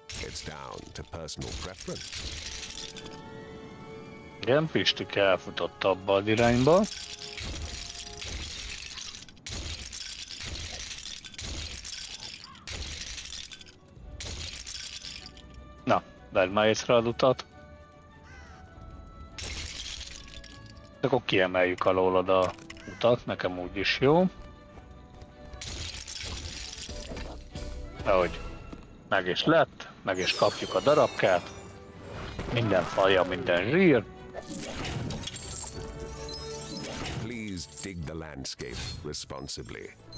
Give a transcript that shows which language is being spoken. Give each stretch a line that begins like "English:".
English: It's down to personal preference.
Hungarian: Igen, Pistik elfutott abba az irányba. Vedd már észre az utat. Akkor kiemeljük alólad a utat, nekem úgy is jó. Ahogy meg is lett, meg is kapjuk a darabkát. Minden falja, minden zsír.
English: Please dig the landscape responsibly.